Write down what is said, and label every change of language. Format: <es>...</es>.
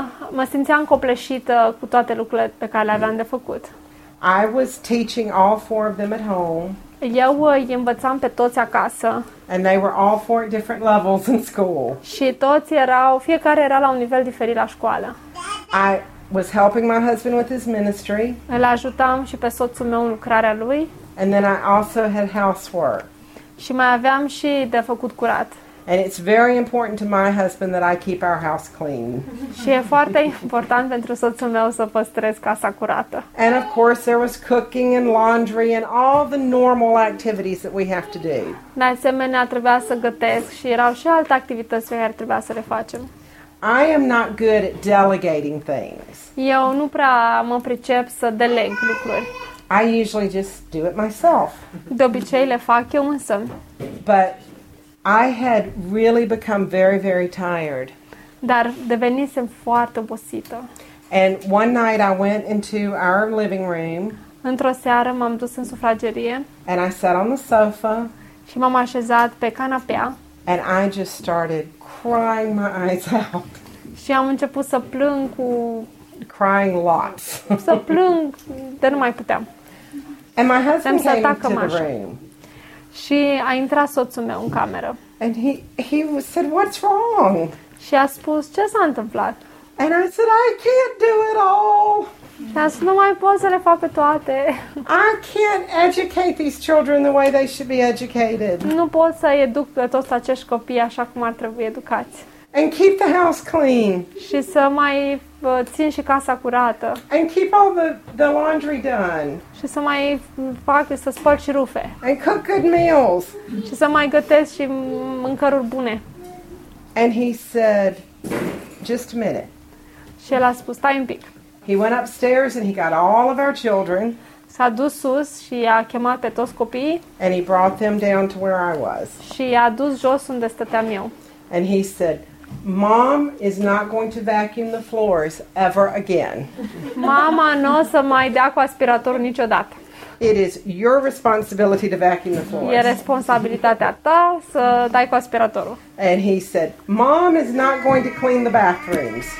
<ro>Mă simțeam copleșită cu toate lucrurile pe care le aveam de făcut.</ro> <en>I was teaching all four of them at home.</en> <ro>Eu îi învățam pe toți acasă.</ro> <en>And they were all four at different levels in school.</en> <ro>Și toți erau, fiecare era la un nivel diferit la școală.</ro> <en>I was helping my husband with his ministry.</en> <ro>Îl ajutam și pe soțul meu în lucrarea lui.</ro> <en>And then I also had housework.</en> <ro>Și mai aveam și de făcut curat.</ro> <en>And it's very important to my husband that I keep our house clean.</en> <ro>Și e foarte important pentru soțul meu să păstrez casa curată.</ro> <en>And of course there was cooking and laundry and all the normal activities that we have to do.</en> <ro>De asemenea, trebuia să gătesc și erau și alte activități pe care trebuia să le facem.</ro> <en>I am not good at delegating things.</en> <ro>Eu nu prea mă pricep să deleg lucruri.</ro> <en>I usually just do it myself.</en> <ro>De obicei le fac eu însumi.</ro> <en>But I had really become very, very tired.</en> <ro>Dar devenisem foarte obosită.</ro> <en>And one night I went into our living room.</en> <ro>Într-o seară m-am dus în sufragerie.</ro> <en>And I sat on the sofa.</en> <ro>Și m-am așezat pe canapea.</ro> <en>And I just started crying my eyes out.</en> <ro>Și am început să plâng cu...</ro> <en>Crying lots.</en> <ro>Să plâng, dar nu mai puteam.</ro> <en>And my husband came into the room.</en> <ro>Și a intrat soțul meu în cameră.</ro> <en>And he said, "What's wrong?"</en> <ro>Și a spus, "Ce s-a întâmplat?"</ro> <en>And I said, "I can't do it all."</en> <ro>Și a spus, "Nu mai pot să le fac pe toate."</ro> <en>I can't educate these children the way they should be educated.</en> <ro>Nu pot să educ pe toți acești copii așa cum ar trebui educați.</ro> <en>And keep the house clean.</en> <ro>Și să mai țin și casa curată.</ro> <en>And keep all the laundry done.</en> <ro>Și să mai fac să spăl și rufe.</ro> <en>And cook good meals.</en> <ro>Și să mai gătesc și mâncăruri bune.</ro> <en>And he said, "Just a minute."</en> <ro>Și el a spus, "Stai un pic."</ro> <en>He went upstairs and he got all of our children.</en> <ro>S-a dus sus și a chemat pe toți copiii.</ro> <en>And he brought them down to where I was.</en> <ro>Și a dus jos unde stăteam eu.</ro> <en>And he said, "Mom is not going to vacuum the floors ever again."</en> <ro>Mama n-o să mai dea cu aspirator niciodată.</ro> <en>It is your responsibility to vacuum the floors.</en> <ro>E responsabilitatea ta să dai cu aspiratorul.</ro> <en>And he said, "Mom is not going to clean the bathrooms."</en>